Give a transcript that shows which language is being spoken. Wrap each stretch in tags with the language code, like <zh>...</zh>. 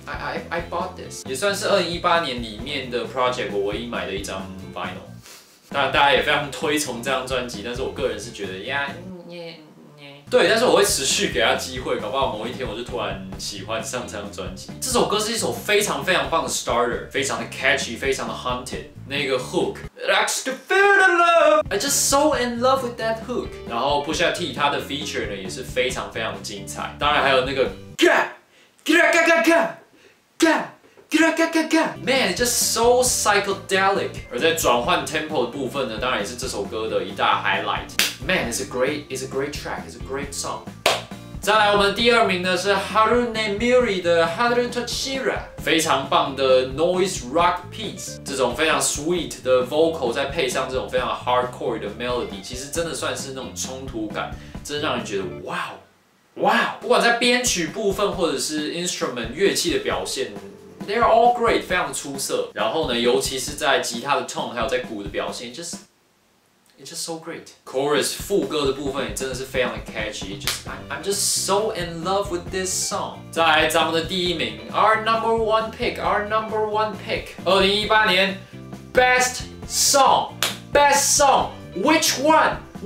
<zh>I bought this，也算是2018年里面的 project 我唯一买的一张 vinyl。当然，大家也非常推崇这张专辑，但是我个人是觉得呀，对，但是我会持续给他机会，搞不好某一天我就突然喜欢上这张专辑。这首歌是一首非常非常棒的 starter， 非常的 catchy， 非常的 haunted。</zh> <en>那个 hook， that's the feel the love， I just so in love with that hook。</en> <zh>然后 Pusha T 他的 feature 呢也是非常非常的精彩，当然还有那个 Man, it's just so psychedelic. 而在转换 tempo 的部分呢，当然也是这首歌的一大 highlight. Man, it's a great track. It's a great song. 再来，我们第二名呢是 Harune Miri 的 Harun Tachira， 非常棒的 noise rock piece. 这种非常 sweet 的 vocal 再配上这种非常 hardcore 的 melody， 其实真的算是那种冲突感，真让人觉得 wow. 不管在编曲部分或者是 instrument 乐器的表现。</zh> <en>They are all great，非常出色。</en> <zh>然后呢，尤其是在吉他的 tone， 还有在鼓的表现 ， it's just so great。 Chorus 副歌的部分也真的是非常的 catchy， I'm just so in love with this song。再来，咱们的第一名 ， our number one pick， 2018年 best song， which one？</zh>